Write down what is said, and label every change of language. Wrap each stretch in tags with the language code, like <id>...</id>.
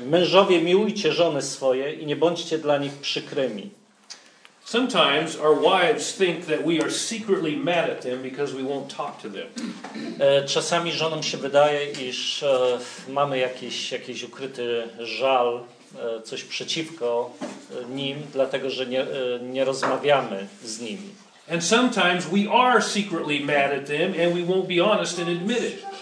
<pl>Mężowie, miłujcie żony swoje i nie bądźcie dla nich przykrymi.</pl> <en>Sometimes our wives think that we are secretly mad at them because we won't talk to them.</en> <pl>Czasami żonom się wydaje, iż mamy jakiś ukryty żal, coś przeciwko nim, dlatego że nie rozmawiamy z nimi.</pl> <en>And sometimes we are secretly mad at them and we won't be honest and admit it.</en>